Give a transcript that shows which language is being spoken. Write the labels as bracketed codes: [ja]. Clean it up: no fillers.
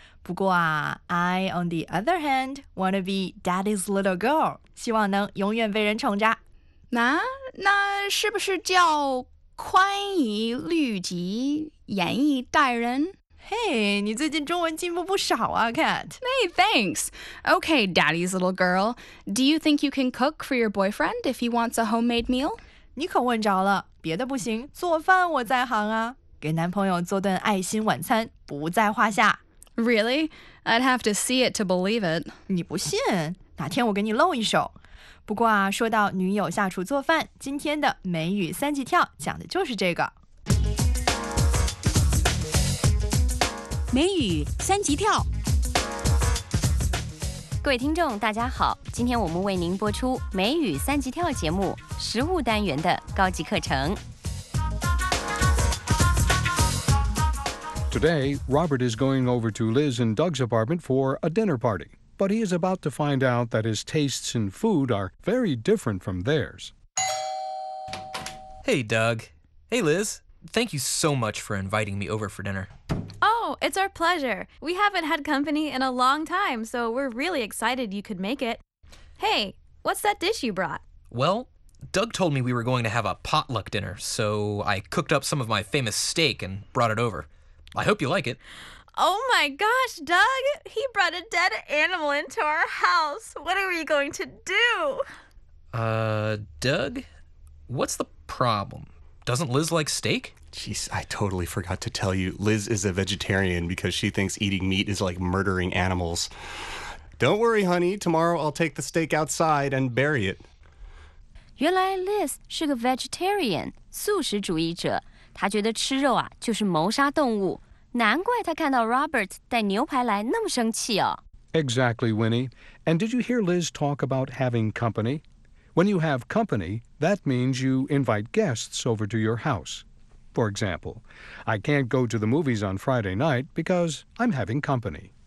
[zh] 不过啊 [en] ，I on the other hand want to be daddy's little girl， [zh] 希望能永远被人宠着。那是不是叫宽以律己，严以待人？ [en] Hey, [zh] 你最近中文进步不少啊 Kat. [en] Hey, thanks. Okay, daddy's little girl, do you think you can cook for your boyfriend if he wants a homemade meal? [zh] 你可问着了，别的不行，做饭我在行啊。给男朋友做顿爱心晚餐不在话下。 [en] Really? I'd have to see it to believe it. [zh] 你不信，哪天我给你露一手。不过啊，说到女友下厨做饭，今天的美语三级跳讲的就是这个。美语三级跳，各位听众大家好，今天我们为您播出美语三级跳节目食物单元的高级课程。 [en] Today, Robert is going over to Liz and Doug's apartment for a dinner party, but he is about to find out that his tastes in food are very different from theirs. Hey, Doug. Hey, Liz. Thank you so much for inviting me over for dinner. It's our pleasure. We haven't had company in a long time, so we're really excited you could make it. Hey, what's that dish you brought? Well, Doug told me we were going to have a potluck dinner, so I cooked up some of my famous steak and brought it over. I hope you like it. Oh my gosh, Doug! He brought a dead animal into our house. What are we going to do? Doug? What's the problem? Doesn't Liz like steak? Jeez, I totally forgot to tell you, Liz is a vegetarian because she thinks eating meat is like murdering animals. Don't worry, honey. Tomorrow I'll take the steak outside and bury it. [zh] 原来 Liz 是个 vegetarian, 素食主义者。她觉得吃肉啊就是谋杀动物。难怪她看到 Robert 带牛排来那么生气哦。 [en] Exactly, Winnie. And did you hear Liz talk about having company? When you have company, that means you invite guests over to your house. For example, I can't go to the movies on Friday night because I'm having company.